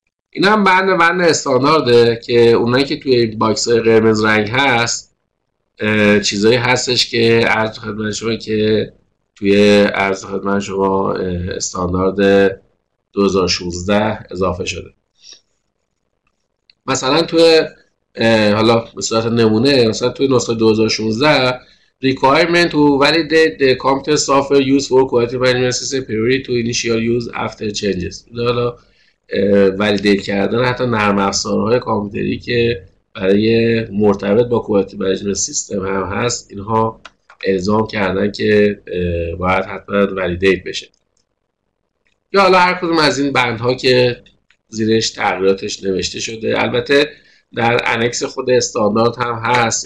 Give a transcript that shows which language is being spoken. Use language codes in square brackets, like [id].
[fa] این هم بند استاندارده که اونایی که توی این باکس های قرمز رنگ هست چیزایی هستش که عرض خدمت شما که توی عرض خدمت شما استاندارد 2016 اضافه شده. مثلا توی حالا به صورت نمونه، مثلا توی نسخه 2016 [en] requirement to validate the computer software used for quality management system priority to initial use after changes. [fa] حالا validate کردن حتی نرم افزارهای کامپیوتری که برای مرتبط با quality management system هم هست، اینها الزام کردن که باید حتما validate بشه. یا حالا هر کدوم از این بندها که زیرش تغییراتش نوشته شده، البته در انکس خود استاندارد هم هست.